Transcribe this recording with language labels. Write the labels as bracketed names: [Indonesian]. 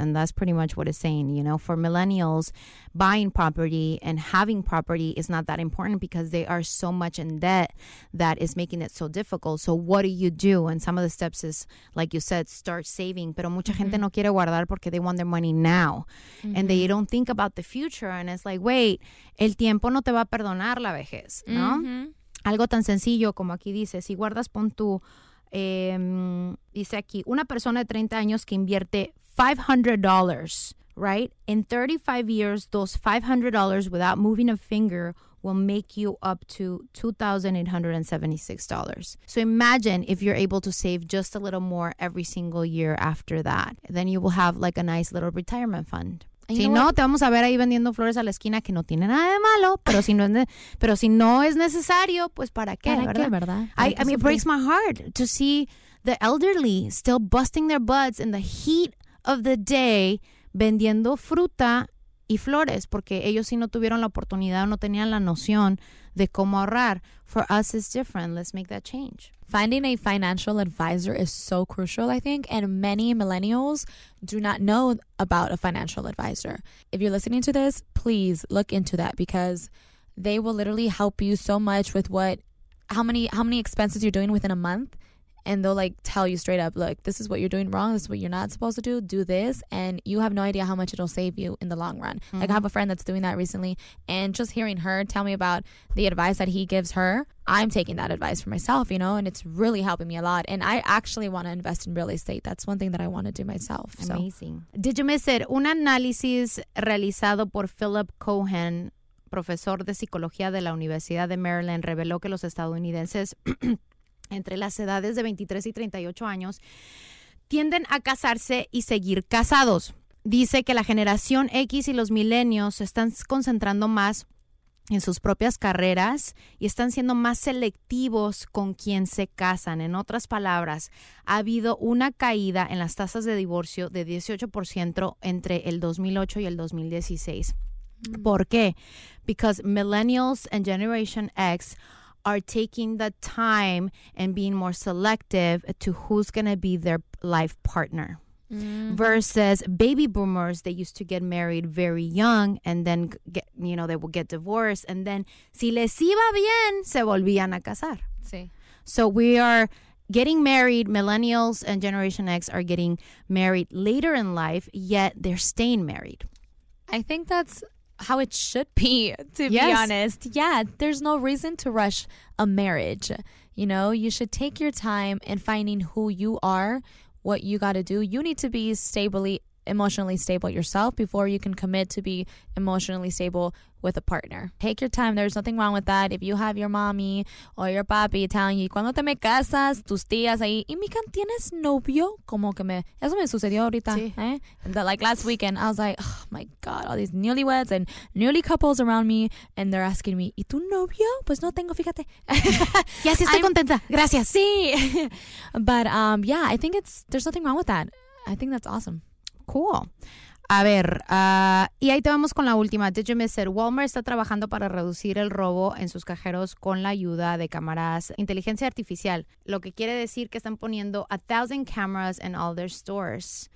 [English] And that's pretty much what it's saying. You know, for millennials, buying property and having property is not that important because they are so much in debt that is making it so difficult. So what do you do? And some of the steps is, like you said, start saving. [Spanish] Pero mucha gente no quiere guardar porque [English] they want their money now. [Spanish] Mm-hmm. [English] And they don't think about the future. And it's like, wait, [Spanish] el tiempo no te va a perdonar la vejez, ¿no? Mm-hmm. Algo tan sencillo como aquí dice, si guardas, pon tu, dice aquí, una persona de 30 años que invierte $500, [English] right? In 35 years, those $500 without moving a finger will make you up to $2,876. So imagine if you're able to save just a little more every single year after that. Then you will have like a nice little retirement fund. And [Spanish] si [English] you know [Spanish] no, [English] what? [Spanish] Te vamos a ver ahí vendiendo flores a la esquina que no tiene nada de malo, pero si no es, pero si no es necesario, pues ¿para qué? ¿Para ¿verdad? Qué, verdad? [English] It breaks my heart to see the elderly still busting their butts in the heat of the day [Spanish] vendiendo fruta y flores porque ellos sí no tuvieron la oportunidad o no tenían la noción de cómo ahorrar. [English] For us, it's different. Let's make that change. Finding a financial advisor is so crucial, I think, and many millennials do not know about a financial advisor. If you're listening to this, please look into that because they will literally help you so much with how many expenses you're doing within a month and they'll like tell you straight up, look, this is what you're doing wrong, this is what you're not supposed to do, do this, and you have no idea how much it'll save you in the long run. Mm-hmm. Like, I have a friend that's doing that recently, and just hearing her tell me about the advice that he gives her, I'm taking that advice for myself, you know, and it's really helping me a lot. And I actually want to invest in real estate. That's one thing that I want to do myself. Amazing. So. Did you miss it? [Spanish] Un análisis realizado por Philip Cohen, profesor de psicología de la Universidad de Maryland, reveló que los estadounidenses entre las edades de 23 y 38 años tienden a casarse y seguir casados. Dice que la generación X y los millennials se están concentrando más en sus propias carreras y están siendo más selectivos con quien se casan. En otras palabras, ha habido una caída en las tasas de divorcio de 18% entre el 2008 y el 2016. ¿Por qué? [English] Because millennials and Generation X are taking the time and being more selective to who's going to be their life partner. Mm-hmm. Versus baby boomers, they used to get married very young and then, get, you know, they would get divorced. And then, [Spanish] si les iba bien, se volvían a casar. Sí. [English] So we are getting married, millennials and Generation X are getting married later in life, yet they're staying married. I think that's how it should be, to yes. be honest. Yeah, there's no reason to rush a marriage. You know, you should take your time in finding who you are, what you got to do. You need to be stably, emotionally stable yourself before you can commit to be emotionally stable with a partner. Take your time. There's nothing wrong with that. If you have your mommy or your papi telling you, [Spanish] cuando te me casas, tus tías ahí, y mi can, ¿tienes novio? Como que me, eso me sucedió ahorita. Sí. [English] And the, like last weekend, I was like, oh my God, all these newlyweds and newly couples around me, and they're asking me, [Spanish] ¿y tu novio? Pues no tengo, fíjate. Y así estoy contenta. Gracias. Sí. [English] But yeah, I think it's, there's nothing wrong with that. I think that's awesome. Cool. [Spanish] A ver, y ahí te vamos con la última. [English] Did you miss it? [Spanish] Walmart está trabajando para reducir el robo en sus cajeros con la ayuda de cámaras inteligencia artificial, lo que quiere decir que están poniendo 1,000 [English] cameras in all their stores.